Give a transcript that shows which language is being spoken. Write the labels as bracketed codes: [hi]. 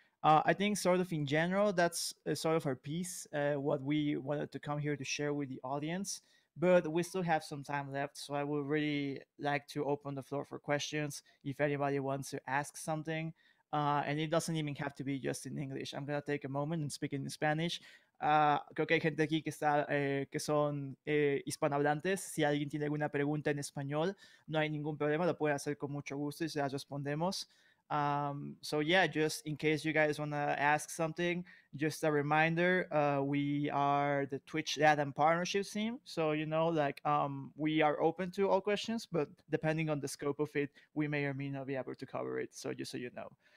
[en] I think sort of in general, that's sort of our piece, what we wanted to come here to share with the audience. But we still have some time left, so I would really like to open the floor for questions if anybody wants to ask something. And it doesn't even have to be just in English. I'm going to take a moment and speak in Spanish. [es] Creo que hay gente aquí que son hispanohablantes. Si alguien tiene alguna pregunta en español, no hay ningún problema, lo puede hacer con mucho gusto y se la respondemos. [en] So yeah, just in case you guys want to ask something, just a reminder, we are the Twitch LATAM partnership team, so you know, like, we are open to all questions, but depending on the scope of it, we may or may not be able to cover it, so just so you know.